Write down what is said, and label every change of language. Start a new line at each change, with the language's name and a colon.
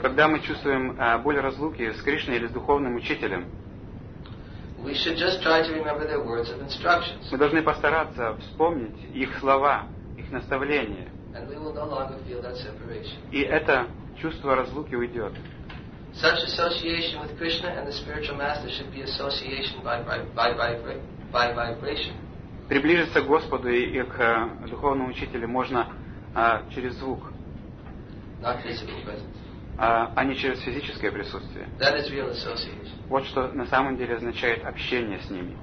Russian: когда мы чувствуем боль разлуки с Кришной или с духовным учителем,
English: we should just try to remember their words of instructions.
Russian: Мы должны постараться вспомнить их слова, их наставления.
English: And we will no longer feel that separation.
Russian: И это чувство разлуки уйдет.
English: Such association with Krishna and the spiritual master should be association by vibration.
Russian: Приближиться к Господу и к духовному учителю можно через звук.
English: Not physical presence.
Russian: А не через физическое присутствие.
English: That is real association.
Russian: Вот что на самом деле означает общение с ними.